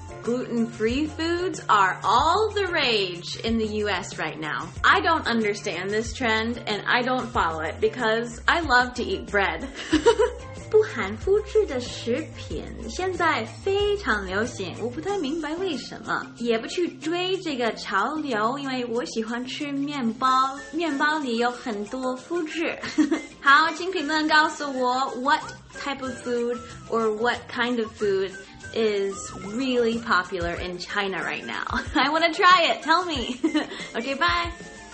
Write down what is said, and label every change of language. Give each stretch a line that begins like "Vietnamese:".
English: Gluten-free foods are all the rage in the US right now. I don't understand this trend and I don't follow it because I love to eat bread.
Chinese: 不含麸质的食品现在非常流行，我不太明白为什么，也不去追这个潮流，因为我喜欢吃面包，面包里有很多麸质。好，请评论告诉我
English: what type of food or what kind of foodis really popular in China right now. I want to try it. Tell me. Okay, bye.